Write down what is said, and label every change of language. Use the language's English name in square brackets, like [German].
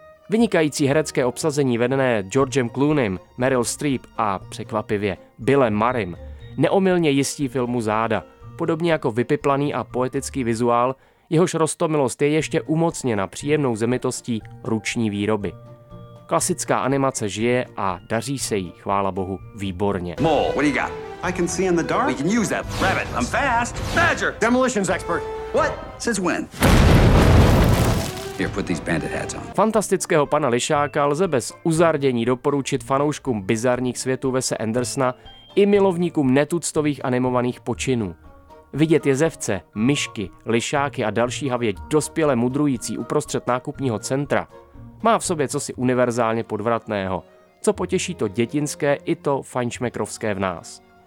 [Czech] Vynikající herecké obsazení vedené Georgem Clooneym, Meryl Streep a překvapivě Billem Murrayem neomylně jistí filmu záda, podobně jako vypiplaný a poetický vizuál, jehož roztomilost je ještě umocněna příjemnou zemitostí ruční výroby. Klasická animace žije a daří se jí, chvála bohu, výborně. [English] More. What do you got? I can see in the dark. We can use that. Rabbit, I'm fast. Badger, demolitions expert. What? Since when? Here, put these bandit hats on. [Czech] Fantastického pana Lišáka lze bez uzardění doporučit fanouškům bizarních světů Wese Andersona i milovníkům netuctových animovaných počinů. Vidět jezevce, myšky, lišáky a další havěť dospěle mudrující uprostřed nákupního centra má v sobě cosi univerzálně podvratného, co potěší to dětinské i to fajnšmekrovské v nás.